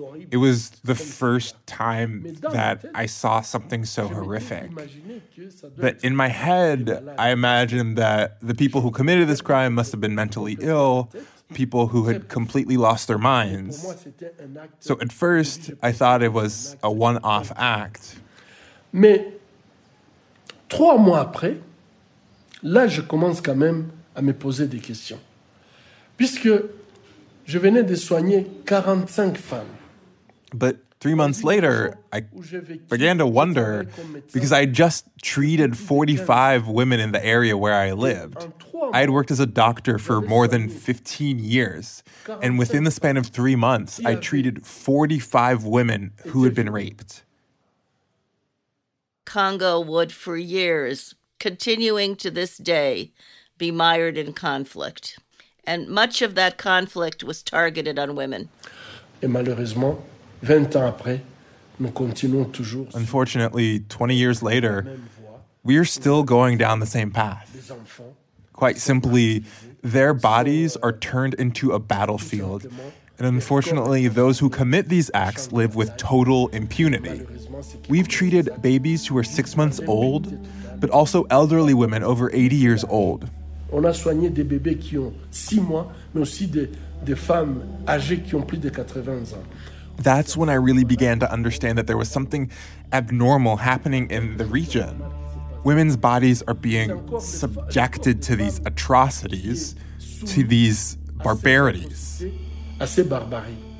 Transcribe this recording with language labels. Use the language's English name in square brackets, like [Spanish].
[English] It was the first time that I saw something so horrific. But in my head, I imagined that the people who committed this crime must have been mentally ill, people who had completely lost their minds. So at first, I thought it was a one-off act. [French] Mais trois mois après, là, je commence quand même à me poser des questions. Puisque je venais de soigner 45 femmes. [English] But 3 months later, I began to wonder, because I had just treated 45 women in the area where I lived. I had worked as a doctor for more than 15 years. And within the span of 3 months, I treated 45 women who had been raped. Congo would for years, continuing to this day, be mired in conflict. And much of that conflict was targeted on women. [French] Et malheureusement, 20 ans après, nous continuons toujours. [English] Unfortunately, 20 years later, we are still going down the same path. Quite simply, their bodies are turned into a battlefield. And unfortunately, those who commit these acts live with total impunity. We've treated babies who are 6 months old, but also elderly women over 80 years old. [French] On a soigné des bébés qui ont 6 mois, mais aussi des femmes âgées qui ont plus de 80 ans. [English] That's when I really began to understand that there was something abnormal happening in the region. Women's bodies are being subjected to these atrocities, to these barbarities. [French] Assez barbarie.